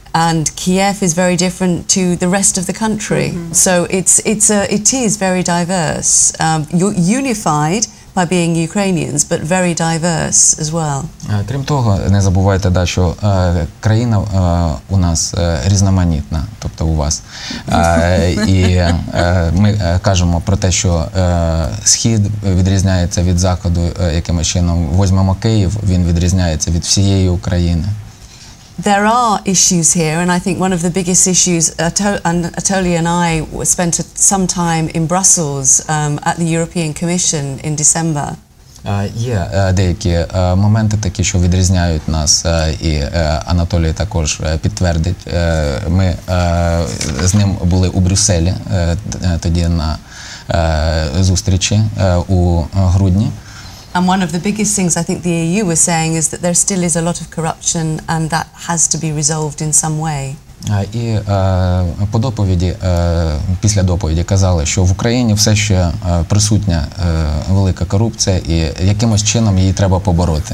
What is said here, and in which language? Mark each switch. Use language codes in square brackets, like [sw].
[en] And Kiev is very different to the rest of the country. Mm-hmm. So it is very diverse. You're unified by being Ukrainians, but very diverse as well. [uk] Крім того, не забувайте, да, що країна у нас різноманітна, тобто у вас. І ми кажемо про те, що Схід відрізняється від Заходу якимось чином. Візьмемо Київ, він відрізняється від всієї України. [en] There are issues here, and I think one of the biggest issues, Atoli and I spent some time in Brussels at the European Commission in December. [uk] Є деякі моменти такі, що відрізняють нас, і Анатолій також підтвердить. Ми з ним були у Брюсселі тоді на зустрічі у грудні. [en] And one of the biggest things I think the EU was saying is that there still is a lot of corruption and that has to be resolved in some way. [uk] І по доповіді, після доповіді казали, що в Україні все ще присутня велика корупція і якимось чином її треба побороти.